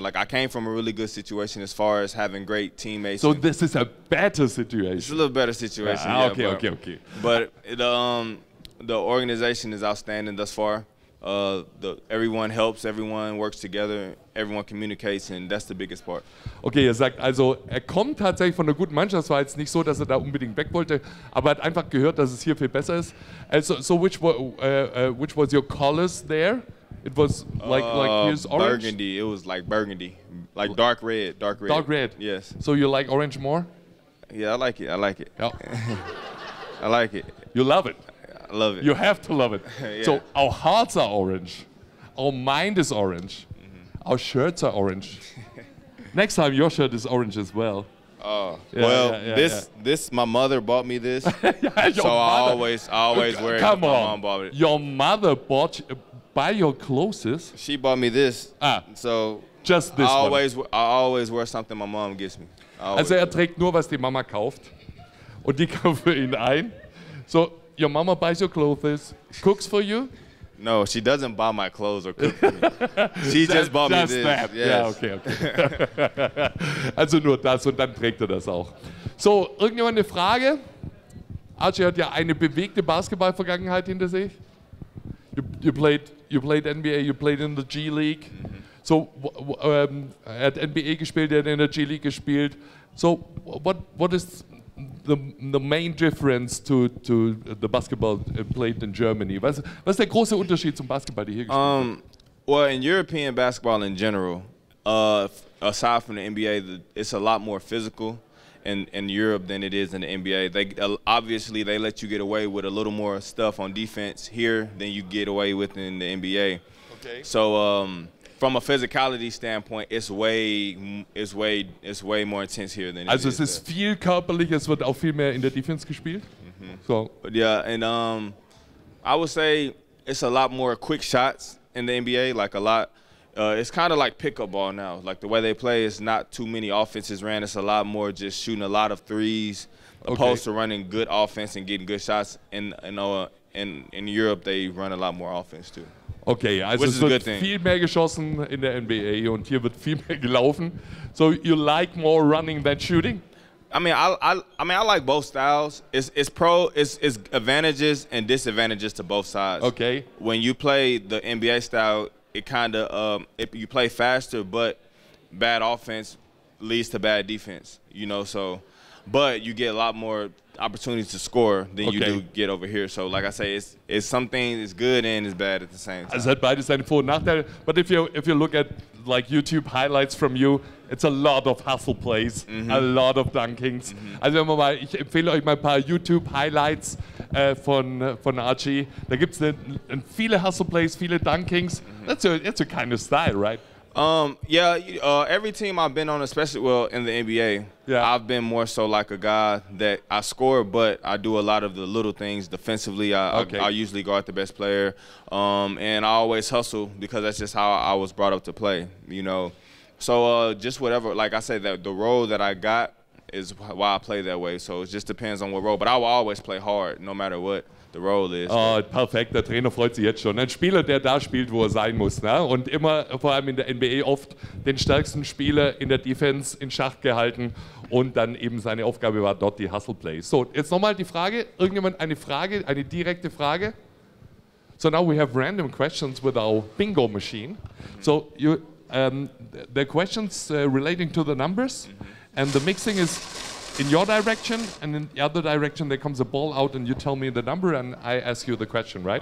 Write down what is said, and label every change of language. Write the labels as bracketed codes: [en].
[en] Like, I came from a really good situation as far as having great teammates. So this is a better situation? It's a little better situation, Okay. But the organization is outstanding thus far. Everyone helps, everyone works together, everyone communicates, and that's the biggest part. [de] Okay, er sagt, also er kommt tatsächlich von einer guten Mannschaft, es war jetzt nicht so, dass er da unbedingt weg wollte, aber hat einfach gehört, dass es hier viel besser ist. [en] Which was your colors there? It was like here's orange? Burgundy, it was like burgundy, like dark red. Dark red? Yes. So you like orange more? Yeah, I like it. Yeah. I like it. You love it? Love it. You have to love it. Yeah. So our hearts are orange. Our mind is orange. Mm-hmm. Our shirts are orange. Next time, your shirt is orange as well. This my mother bought me this. I always wear it. Come on. My mom bought it. Your mother bought by your closest. She bought me this. Ah. So just this. I always wear something my mom gives me. [de] Also trägt nur was die Mama kauft und die kauft für ihn ein. [en] So your mama buys your clothes, cooks for you. No, she doesn't buy my clothes or cook for me. She just bought just me this. That. Yes. Yeah, okay. [de] Also nur das und dann trägt das auch. So, irgendjemand eine Frage? Archie hat ja eine bewegte Basketballvergangenheit hinter sich. [en] You played NBA, you played in the G League. Mm-hmm. [de] So, er hat NBA gespielt, er hat in der G League gespielt. [en] So, what is the main difference to the basketball played in Germany? [de] Was ist der große Unterschied zum Basketball, der hier gespielt wird? [en] Well, in European basketball in general, aside from the NBA, it's a lot more physical in Europe than it is in the NBA. Obviously, they let you get away with a little more stuff on defense here than you get away with in the NBA. Okay. So, from a physicality standpoint, it's way more intense here than. [de] Also, es ist viel körperlicher. Es wird auch viel mehr in der Defense gespielt. Mm-hmm. So. [en] But yeah, and I would say it's a lot more quick shots in the NBA. Like a lot. It's kind of like pickup ball now. Like the way they play is not too many offenses ran. It's a lot more just shooting a lot of threes, opposed to running good offense and getting good shots. And in Europe, they run a lot more offense too. [de] Okay, also [en] which is [de] es wird [en] a good thing. [de] Viel mehr geschossen in der NBA und hier wird viel mehr gelaufen. [en] So you like more running than shooting? I mean, I like both styles. It's advantages and disadvantages to both sides. Okay. When you play the NBA style, it kind of if you play faster, but bad offense leads to bad defense, you know. So, but you get a lot more opportunities to score than you do get over here. So, like I say, it's something is good and it's bad at the same time. [de] Also hat beides seine Vor- und Nachteile. [en] But if you look at like YouTube highlights from you, it's a lot of hustle plays, mm-hmm. a lot of dunkings. Mm-hmm. [de] Also wenn wir mal, ich empfehle euch mal ein paar YouTube Highlights von Archie. Da gibt's viele hustle plays, viele dunkings. [en] That's a kind of style, right? Every team I've been on, especially well in the NBA, I've been more so like a guy that I score, but I do a lot of the little things defensively. I usually guard the best player, and I always hustle because that's just how I was brought up to play, you know. So just whatever, like I said, that the role that I got is why I play that way. So it just depends on what role, but I will always play hard no matter what. The role is. [de] Oh, perfekt. Der Trainer freut sich jetzt schon. Ein Spieler, der da spielt, wo er sein muss. Ne? Und immer, vor allem in der NBA, oft den stärksten Spieler in der Defense in Schach gehalten. Und dann eben seine Aufgabe war dort die Hustle Plays. So, jetzt nochmal die Frage. Irgendjemand eine Frage, eine direkte Frage? [en] So now we have random questions with our bingo machine. So you, the questions relating to the numbers. And the mixing is in your direction, and in the other direction, there comes a ball out, and you tell me the number, and I ask you the question, right?